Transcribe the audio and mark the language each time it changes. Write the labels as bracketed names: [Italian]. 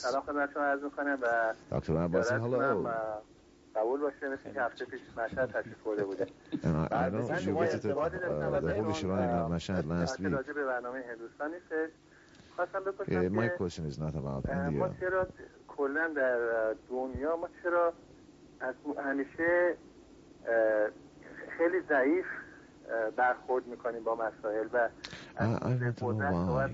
[Persian] سلام خدمت شما عرض می‌کنم و دکتر عباسی hello. قبول باشه مثل که هفته پیش مشهد تشریف برده بودن. [English] I know you visited the Holy Shrine of Mashhad last week. [Persian] راجع به برنامه هندوستان نیست. [English] My question is not about India. [Persian] ما چرا کلن در دنیا ما چرا از همیشه خیلی ضعیف برخورد میکنیم با مسائل و از این قدرت صحبت